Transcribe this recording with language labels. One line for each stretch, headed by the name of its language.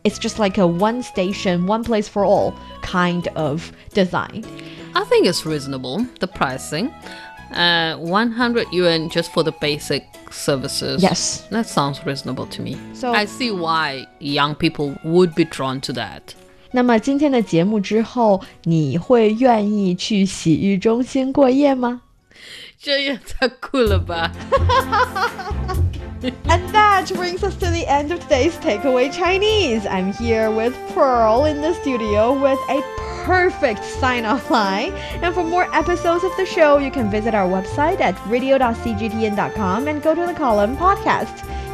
English: It's just like a one station, one place for all kind of design. I think it's reasonable, the pricing. 100 yuan just for the basic services. Yes. That sounds reasonable to me. So, I see why young people would be drawn to that.
Chinese: 那么今天的节目之后，你会愿意去洗浴中心过夜吗？这也太酷了吧。
English: And that brings us to the end of today's Takeaway Chinese. I'm here with Pearl in the studio with a perfect sign-off line. And for more episodes of the show, you can visit our website at radio.cgtn.com and go to the column podcast.